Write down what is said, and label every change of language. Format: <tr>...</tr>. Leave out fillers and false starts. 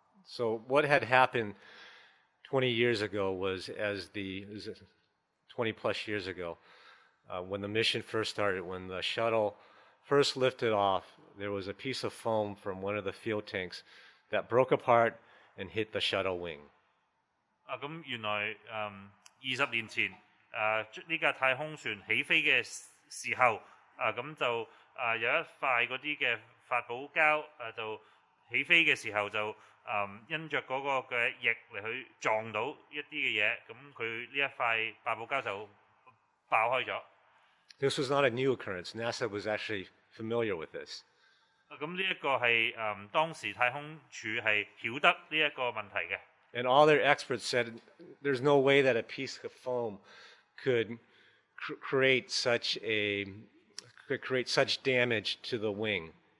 <en>So what had happened 20 years ago was as the 20 plus years ago, when the mission first started, when the shuttle first lifted off, there was a piece of foam from one of the fuel tanks that broke apart and hit the shuttle wing.</en> <yue>咁原来20年前呢架太空船起飞嘅时候咁就有一塊嗰啲嘅發泡膠就起飛嘅時候就因著嗰個嘅翼嚟去撞到一啲嘅嘢，咁佢呢一塊發泡膠就爆開咗。</yue> <en>This was not a new occurrence. NASA was actually familiar with this.</en> <yue>咁呢一個係當時太空署係曉得呢一個問題嘅。</yue> <en>And all their experts said there's no way that a piece of foam could create such a could create such damage to the wing.</en>